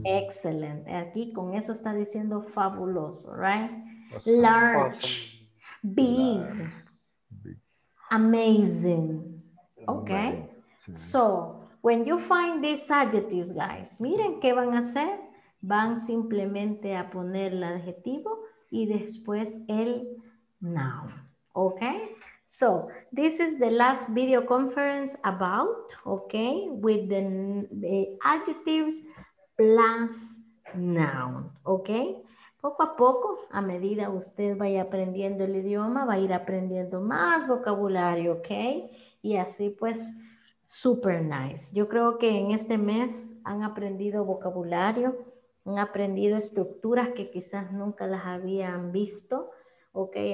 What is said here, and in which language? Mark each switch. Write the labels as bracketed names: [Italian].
[English] Excellent. [Spanish] Aquí con eso está diciendo fabuloso, [English] right? Awesome. Large. Awesome. Big. Large. Big. Amazing. Okay. Amazing. So, when you find these adjectives, guys, [Spanish] miren qué van a hacer. Van simplemente a poner el adjetivo y después el noun. [English] Okay? So, this is the last video conference about, okay, with the adjectives plus noun, okay? [Spanish] Poco a poco, a medida usted vaya aprendiendo el idioma, va a ir aprendiendo más vocabulario, okay? Y así pues, [English] super nice. [Spanish] Yo creo que en este mes han aprendido vocabulario, han aprendido estructuras que quizás nunca las habían visto, okay?